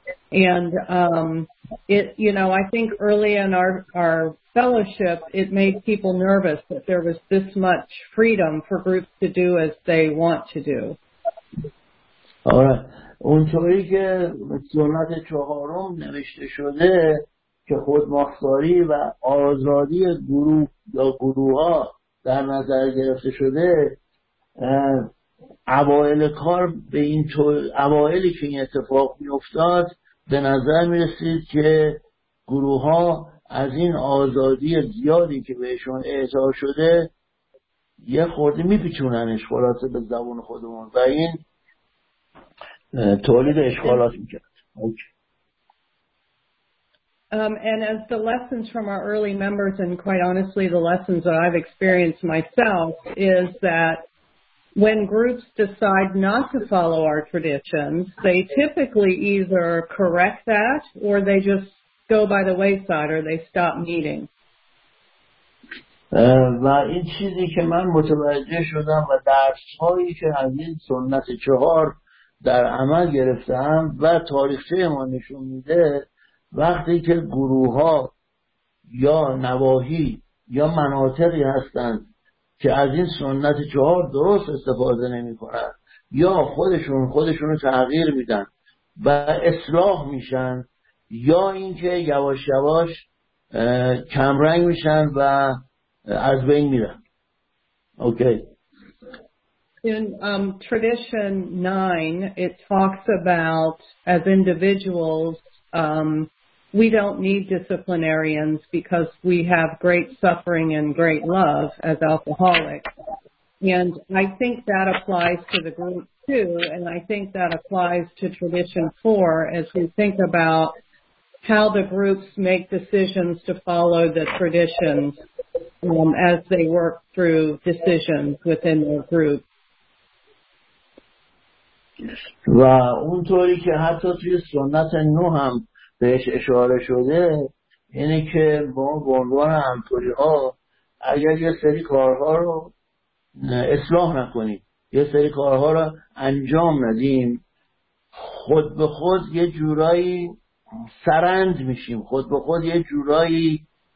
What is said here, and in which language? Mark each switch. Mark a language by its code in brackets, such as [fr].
[en] And it, you know, I think early in our fellowship, it made people nervous that there was this much freedom for groups to do as they want to do. All right. [fa] اونطوری که سنت چهارم نوشته شده که خودمختاری و آزادی گروه یا گروه ها در نظر گرفته شده، اوائل کار به این طور اوائلی که این اتفاق می افتاد به نظر می رسید که گروه ها از این آزادی زیادی که بهشون اعطا شده یه خورده می پیچوننش، خلاصه به زبان خودمون، و این تولید اشکالات می کرد. [en] And as the lessons from our early members, and quite honestly, the lessons that I've experienced myself, is that when groups decide not to follow our traditions, they typically either correct that or they just go by the wayside or they stop meeting. [fa] و این چیزی که من متوجه شدم و درس‌هایی که از این سنت چهار در عمل گرفتم و تاریخچه ما نشون میده، وقتی که گروه ها یا نواحی یا مناطقی هستند که از این سنت چهار درست استفاده نمی کنند یا خودشون رو تغییر میدن و اصلاح میشن، یا اینکه یواش یواش کمرنگ میشن و از بین میرن. اوکی. [en] In tradition 9 it talks about as individuals we don't need disciplinarians because we have great suffering and great love as alcoholics. And I think that applies to the group too, and I think that applies to tradition four as we think about how the groups make decisions to follow the traditions as they work through decisions within their group. [fa] و اونطوری که حتی توی سنت نو هم بهش اشاره شده اینه که ما به عنوان همطوری ها اگر یه سری کارها رو اصلاح نکنیم، یه سری کارها رو انجام ندیم، خود به خود یه جورایی سرند میشیم، خود به خود یه جورایی